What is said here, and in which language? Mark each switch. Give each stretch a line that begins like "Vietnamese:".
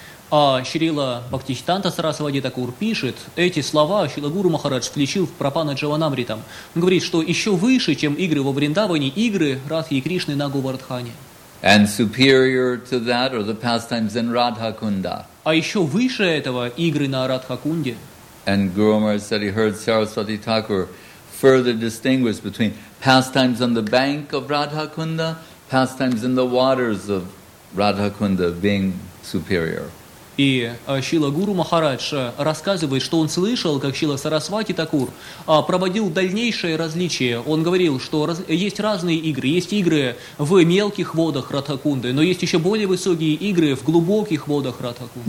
Russian: А Шрила Бхактисиддханта Сарасвати Такур пишет, эти слова Шрила Гуру Махарадж включил в Прапана Джаванамритам. Он говорит, что еще выше, чем игры во Вриндаване, игры Радхи и Кришны на Говардхане.
English: And superior to that are the pastimes in Radhakunda.
Russian: А еще выше этого игры на Радхакунде.
English: And Guru Maharaj said he heard Sarasvati Thakur further distinguish between pastimes on the bank of Radhakunda, pastimes in the waters of Radhakunda being superior.
Russian: И Шрила Гуру Махарадж рассказывает, что он слышал, как Шрила Сарасвати Такур проводил дальнейшее различие. Он говорил, что есть разные игры. Есть игры в мелких водах Радхакунды, но есть еще более высокие игры в глубоких водах Радхакунды.